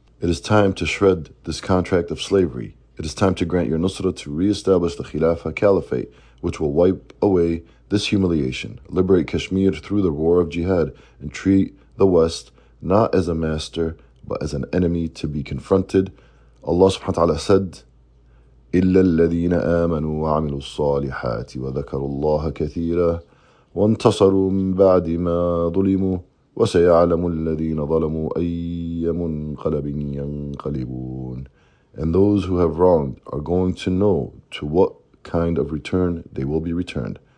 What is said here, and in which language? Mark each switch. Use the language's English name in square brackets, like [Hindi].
[English] It is time to shred this contract of slavery. It is time to grant your Nusra to re-establish the Khilafah Caliphate, which will wipe away this humiliation, liberate Kashmir through the roar of jihad, and treat the West not as a master, but as an enemy to be confronted. Allah subhanahu wa ta'ala said, [Arabic] إِلَّا الَّذِينَ آمَنُوا وَعَمِلُوا الصَّالِحَاتِ وَذَكَرُوا اللَّهَ كَثِيرًا وَانْتَصَرُوا مِنْ بَعْدِ مَا ظُلِمُوا وَسَيَعْلَمُ الَّذِينَ ظَلَمُوا أَيَّ مُنْقَلَبٍ يَنْقَلِبُونَ. [English] And those who have wronged are going to know to what kind of return they will be returned.